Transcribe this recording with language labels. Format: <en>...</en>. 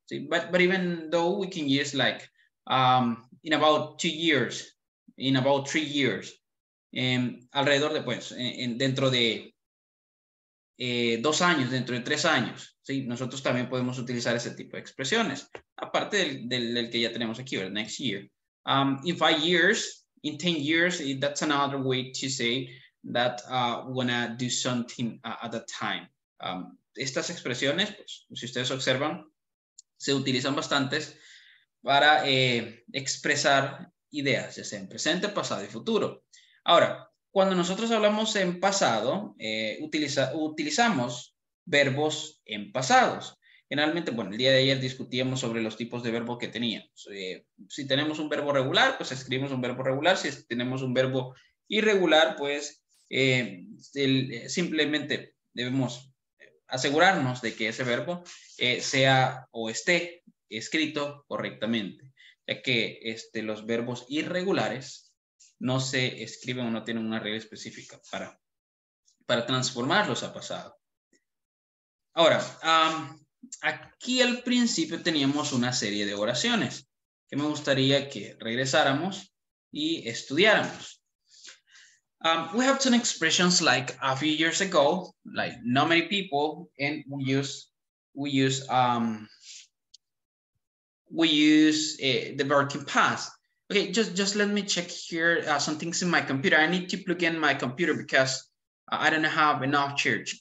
<en>¿Sí? But even though we can use like in about 2 years, in about 3 years,</en> <es>alrededor de, pues, dentro de 2 años, dentro de 3 años.</es> <en>¿Sí?</en> <es>Nosotros también podemos utilizar ese tipo de expresiones, aparte del que ya tenemos aquí, ¿verdad?</es> <en>Next year. In 5 years, in 10 years, that's another way to say that we're gonna do something at that time.</en> <es>Estas expresiones, pues, si ustedes observan, se utilizan bastantes para expresar ideas, ya sea en presente, pasado y futuro. Ahora, cuando nosotros hablamos en pasado, utilizamos verbos en pasados. Generalmente, bueno, el día de ayer discutíamos sobre los tipos de verbos que teníamos. Si tenemos un verbo regular, pues escribimos un verbo regular. Si tenemos un verbo irregular, pues simplemente debemos asegurarnos de que ese verbo sea o esté escrito correctamente. Ya que los verbos irregulares no se escriben o no tienen una regla específica para transformarlos a pasado. Ahora, aquí al principio teníamos una serie de oraciones que me gustaría que regresáramos y estudiáramos.</es> <en>We have some expressions like a few years ago, like not many people, and the verb in past. Okay, just let me check here some things in my computer. I need to plug in my computer because I don't have enough charge.</en>